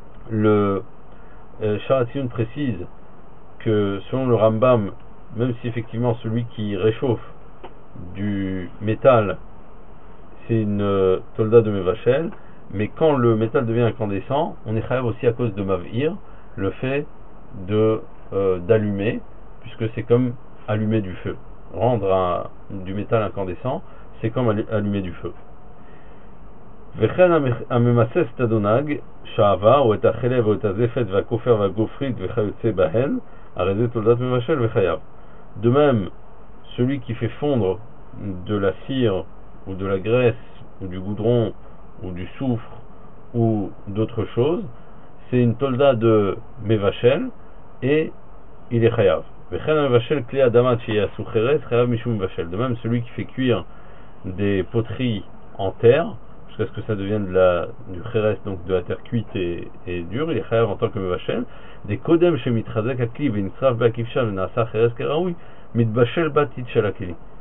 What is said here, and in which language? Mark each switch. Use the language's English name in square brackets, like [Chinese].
[French] Le Charatiyun précise que selon le Rambam, même si effectivement celui qui réchauffe du métal, c'est une tolda de Mevachel, mais quand le métal devient incandescent, on est chayav aussi à cause de Mavir, le fait d'allumer, puisque c'est comme allumer du feu. Rendre du métal incandescent, c'est comme allumer du feu. [Hebrew] וכאן הממסס את הדונג שעבה או את החלב או את הזפת והכופר והגופרית וכיוצא בהן הרי זה תולדת מבשל וחייב. [French] De même, celui qui fait fondre de la cire ou de la graisse ou du goudron ou du soufre ou d'autres choses, c'est une tolda de mevachel et il est chayav. [Hebrew] וכאן המבשל כלי אדמה שיעשו חרס חייב משום מבשל. [French] De même, celui qui fait cuire des poteries en terre jusqu'à ce que ça devienne du cheres, donc de la terre cuite et dure, il est chayav en tant que mevachel. Des kodem chez mitrazek akli, v'initraf be'akivcha, v'inasa cheres keraoui, mitbachel batit shel akli.